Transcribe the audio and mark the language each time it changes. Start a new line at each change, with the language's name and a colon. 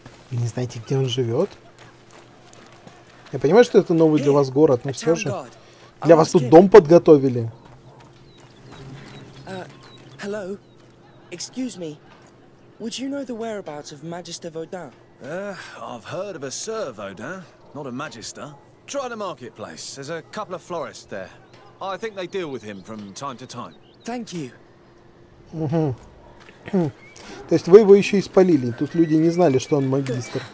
Russian: Вы не знаете, где он живет? Я понимаю, что это новый для вас город, но все же. Для вас тут дом подготовили.
English: Hello. Excuse me. Would you know the whereabouts of Magister Vaudin? I've heard of a Sir Vaudin, not a Magister. Try the marketplace. There's a couple of florists there. I think they deal with him from time to time. Thank you.
Russian: То есть вы его еще и спалили. Тут люди не знали, что он магистр.